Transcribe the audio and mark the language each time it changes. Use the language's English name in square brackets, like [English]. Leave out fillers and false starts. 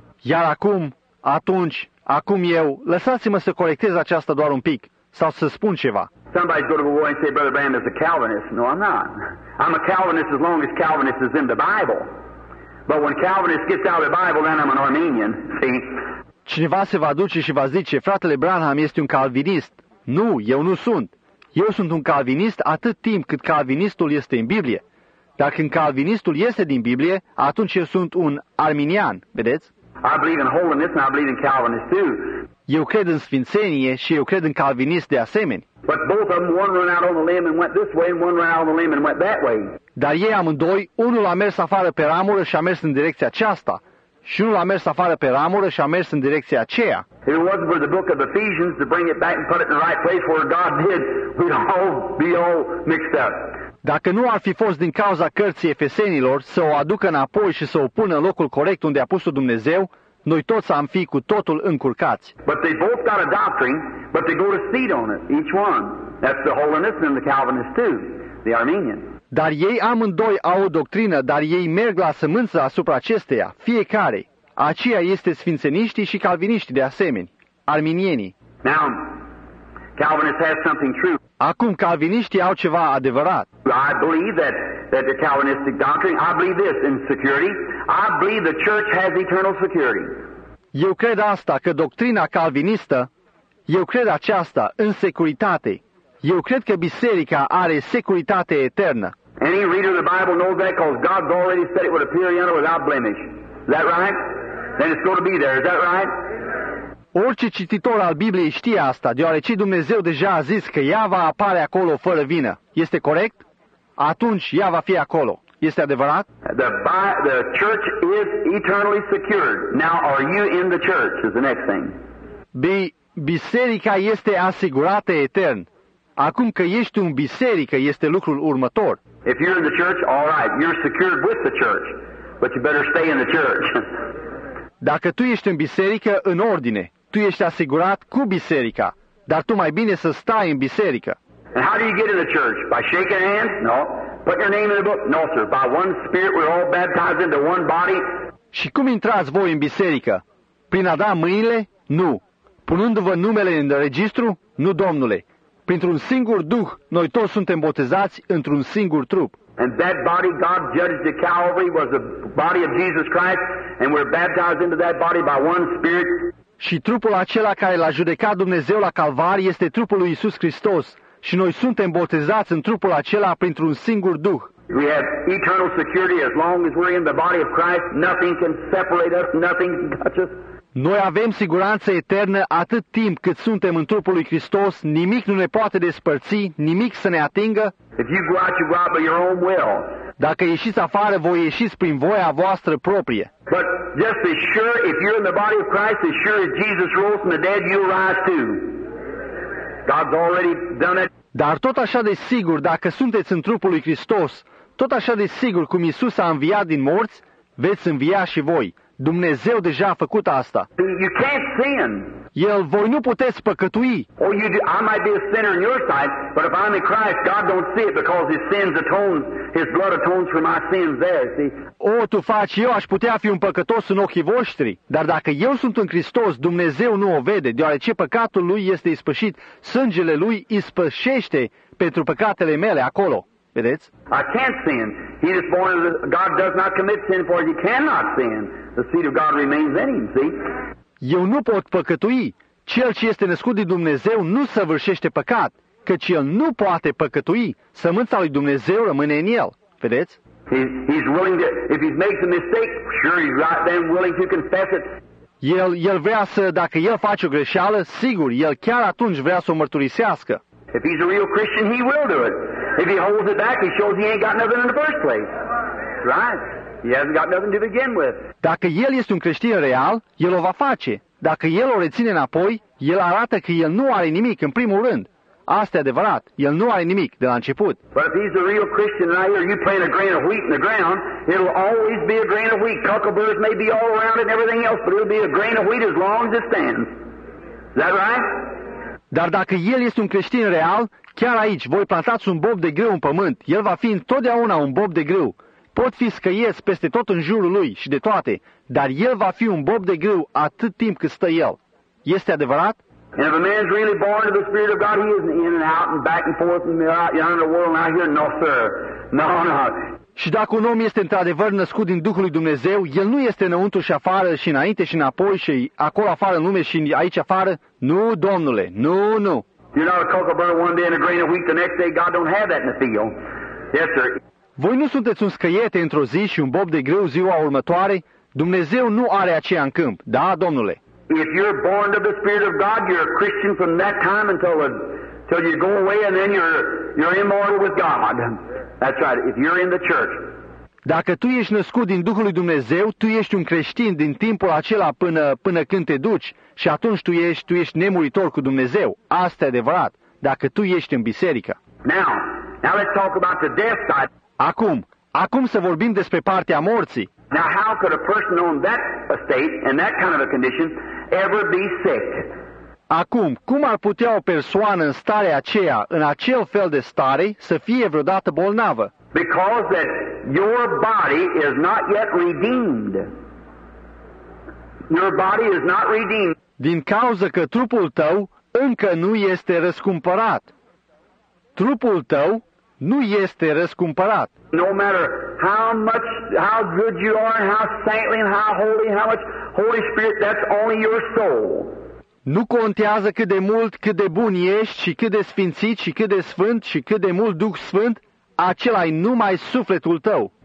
[Romanian] Iar acum, atunci, acum eu, lăsați-mă să corectez aceasta doar un pic, sau să spun ceva. [English] Somebody's going to go and say Brother Branham is a Calvinist. No, I'm not. I'm a Calvinist as long as Calvinist is in the Bible. But when Calvinist gets out of the Bible, then I'm an Arminian. See? [Romanian] Cineva se va duce și va zice, fratele Branham este un calvinist. Nu, eu nu sunt. Eu sunt un calvinist atât timp cât calvinistul este în Biblie. Dar când calvinistul iese din Biblie, atunci eu sunt un arminian, vedeți? [English] I believe in holiness and I believe in Calvinist too. [Romanian] Eu cred în sfințenie și eu cred în calvinist de asemenea. [English] But both of them, one ran out on the limb and went this way and one ran out on the limb and went that way. [Romanian] Dar ei amândoi, unul a mers afară pe ramură și a mers în direcția aceasta. Și unul a mers afară pe ramură și a mers în direcția aceea. [English] If it wasn't for the book of Ephesians to bring it back and put it in the right place where God did, we'd all be all mixed up. [Romanian] Dacă nu ar fi fost din cauza cărții Efesenilor să o aducă înapoi și să o pună în locul corect unde a pus-o Dumnezeu, noi toți am fi cu totul încurcați. [English] But they both got a doctrine, but they go to seed on it, each one. That's the Holiness and the Calvinist too, the Armenian. [Romanian] Dar ei amândoi au o doctrină, dar ei merg la sămânță asupra acesteia, fiecare. Aceea este sfințeniștii și calviniștii de asemenea, arminienii. [English] Now, Calvinists have something true. [Romanian] Acum, calviniștii au ceva adevărat. [English] I believe that the Calvinistic doctrine, I believe this in security. I believe the church has eternal security. [Romanian] Eu cred asta, că doctrina calvinistă, eu cred aceasta în securitate. Eu cred că biserica are securitate eternă. [English] Any reader of the Bible knows that because God's already said it would appear in her without blemish. Is that right? Then it's going to be there. Is that right? [Romanian] Orice cititor al Bibliei știe asta, deoarece Dumnezeu deja a zis că ea va apare acolo fără vină. Este corect? Atunci ea va fi acolo. Este adevărat? [English] The church is eternally secured. Now are you in the church? Is the next thing. [Romanian] Biserica este asigurată etern. Acum că ești în biserică, este lucrul următor. [English] If you're in the church, all right, you're secured with the church. But you better stay in the church. [Romanian] Dacă tu ești în biserică, în ordine. Tu ești asigurat cu biserica, dar tu mai bine să stai în biserică. [English] And how do you get in the church? By shaking hands? No. Put your name in the book? No, sir. By one spirit we're all baptized into one body. [Romanian] Și cum intrați voi în biserică? Prin a da mâinile? Nu. Punându-vă numele în registru? Nu, domnule. Printr-un singur duh, noi toți suntem botezați într-un singur trup. [English] And that body God judged at Calvary was the body of Jesus Christ, and we're baptized into that body by one spirit. [Romanian] Și trupul acela care l-a judecat Dumnezeu la Calvar este trupul lui Iisus Hristos, și noi suntem botezați în trupul acela printr-un singur duh. [English] We have eternal security as long as we're in the body of Christ. Nothing can separate us, nothing can touch us. [Romanian] Noi avem siguranță eternă atât timp cât suntem în trupul lui Hristos, nimic nu ne poate despărți, nimic să ne atingă. [English] If you go out, you go out by your own will. [Romanian] Dacă ieșiți afară, voi ieșiți prin voia voastră proprie. [English] But just as sure if you're in the body of Christ, as sure as Jesus rose from the dead, you'll rise too. God's already done it. [Romanian] Dar tot așa de sigur, dacă sunteți în trupul lui Hristos, tot așa de sigur cum Iisus a înviat din morți, veți învia și voi. Dumnezeu deja a făcut asta. [English] You can't sin. [Romanian] El, voi nu puteți păcătui. [English] Or you do, I might be a sinner in your sight, but if I'm in Christ, God don't see it because His sins atone, His blood atones for my sins there. See? [Romanian] O, tu faci, eu aș putea fi un păcătos în ochii voștri, dar dacă eu sunt în Hristos, Dumnezeu nu o vede, deoarece păcatul lui este ispășit, sângele lui ispășește pentru păcatele mele acolo. Vedeți? [English] I can't sin. He is born of the, God does not commit sin, for he cannot sin. The seed of God remains in him, see? [Romanian] Eu nu pot păcătui. Cel ce este născut din Dumnezeu nu săvârșește păcat, căci el nu poate păcătui. Sămânța lui Dumnezeu rămâne în el. Vedeți? [English] He's willing to, if he makes a mistake, sure he's right then willing to confess it. [Romanian] El vrea să, dacă el face o greșeală, sigur, el chiar atunci vrea să o mărturisească. [English] If he's a real Christian, he will do it. If he holds it back, he shows he ain't got nothing in the first place. Right? He hasn't got nothing to begin with. [Romanian] Dacă el este un creștin real, el o va face. Dacă el o reține înapoi, el arată că el nu are nimic în primul rând. Asta e adevărat. El nu are nimic de la început. [English] But if he's a real Christian and I hear you plant a grain of wheat in the ground, it'll always be a grain of wheat. Cuckleburrs may be all around it and everything else, but it'll be a grain of wheat as long as it stands. Is that right? [Romanian] Dar dacă el este un creștin real, chiar aici, voi plantați un bob de grâu în pământ, el va fi întotdeauna un bob de grâu. Pot fi scăiesc peste tot în jurul lui și de toate, dar el va fi un bob de grâu atât timp cât stă el. Este adevărat? [English] And if a man is really born of the Spirit of God, he isn't in and out and back and forth and out yonder in the world and out here, no sir, no, no. [Romanian] Și dacă un om este într-adevăr născut din Duhul lui Dumnezeu, el nu este înăuntru și afară și înainte și înapoi și acolo afară în lume și aici afară. Nu, Domnule, nu, nu. [English] You're not a cuckleburr one day and a grain of wheat the next day. God don't have that in the field. Yes, sir. [Romanian] Voi nu sunteți un scăiete într-o zi și un bob de grâu ziua următoare? Dumnezeu nu are aceea în câmp. Da, Domnule. [English] If you're born of the Spirit of God, you're a Christian from that time until you go away and then you're immortal with God. That's right, if you're in the church. [Romanian] Dacă tu ești născut din Duhul lui Dumnezeu, tu ești un creștin din timpul acela până când te duci și atunci tu ești nemuritor cu Dumnezeu. Asta e adevărat, dacă tu ești în biserică. [English] Now let's talk about the death side. [Romanian] Acum să vorbim despre partea morții. [English] Now how could a person on that state and that kind of a condition ever be sick? [Romanian] Acum, cum ar putea o persoană în starea aceea, în acel fel de stare, să fie vreodată bolnavă? [English] Because that your body is not yet redeemed. Your body is not redeemed. [Romanian] Din cauza că trupul tău încă nu este răscumpărat. Trupul tău nu este răscumpărat. [English] No matter how good you are, how saintly and how holy, how much Holy Spirit, that's only your soul. [Romanian] Nu contează cât de mult, cât de bun ești și cât de sfințit și cât de sfânt și cât de mult Duh Sfânt, acela e numai sufletul tău.